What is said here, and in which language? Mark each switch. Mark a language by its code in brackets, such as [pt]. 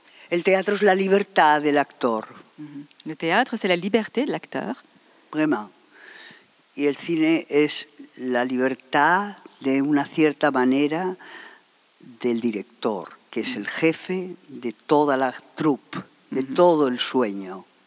[es] El teatro es la libertad del actor. [fr] Le théâtre, c'est la liberté de l'acteur. Vraiment. [es] Y el cine es la libertad de una cierta manera del director. Que es el jefe de toda la troupe, de todo el sueño.